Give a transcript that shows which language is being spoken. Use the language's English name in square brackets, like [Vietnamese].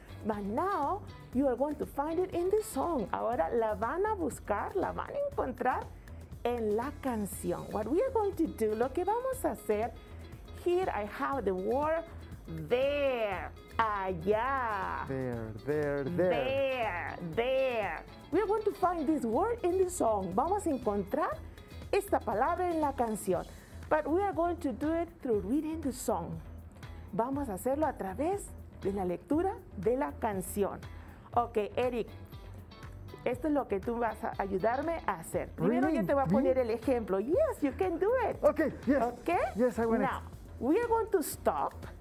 [English] But now you are going to find it in the song. [Spanish] Ahora la van a buscar, la van a encontrar en la canción. [English] What we are going to do, [Spanish] lo que vamos a hacer, [English] here I have the word there, allá. There, there, there. There, there. We are going to find this word in the song. Vamos a encontrar esta palabra en la canción. But we are going to do it through reading the song. [Spanish] Vamos a hacerlo a través de la lectura de la canción. Ok, Eric. Esto es lo que tú vas a ayudarme a hacer. Primero [English] really? [Spanish] Yo te voy a poner el ejemplo. [English] Yes, you can do it. Okay, yes. Okay? Yes, I want it. Now, we are going to stop.